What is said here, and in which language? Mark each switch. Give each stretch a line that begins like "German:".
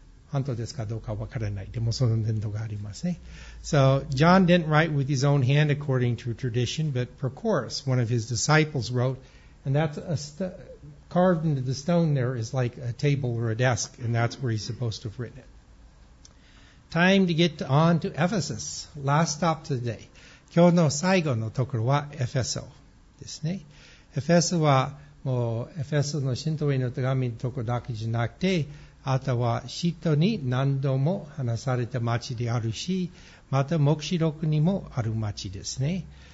Japanese: 本当ですかどうかわからない。でもその伝統がありますね。
English: So, John didn't write with his own hand according to tradition, but Prochorus, one of his disciples, wrote, and that's carved into the stone there is like a table or a desk, and that's where he's supposed to have written it. Time to get on to Ephesus. Last stop today.
Japanese: 今日の最後のところはエフェソですね。エフェソはもうエフェソの信徒への手紙のところだけじゃなくて、あとは人に何度も話された町であるし、また黙示録にもある町ですね。